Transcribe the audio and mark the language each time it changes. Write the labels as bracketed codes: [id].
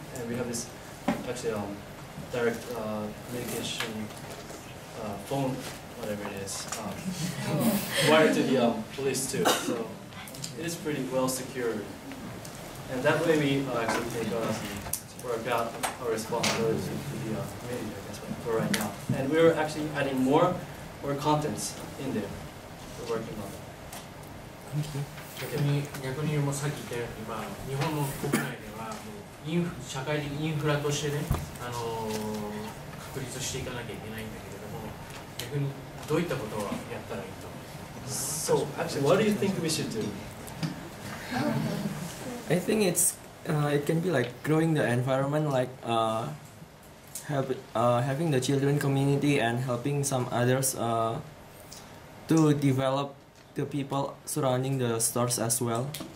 [en] And we have this direct communication phone, whatever it is, wired to the police too. So it is pretty well secured. And that way we actually take work out our responsibility to the community, I guess, for right now. And we're actually adding more contents in there. We're working on it. Thank you. [ja] 逆に言うもさっき言ったように、まあ、日本の国内ではもうインフ社会的インフラとしてね、確立していかなきゃいけないんだけれども、逆にどういったことをやったらいいと思う? [en] So, actually, what do you think we should do? I think it can be like growing the environment, like having the children community and helping some others to develop the people surrounding the stores as well.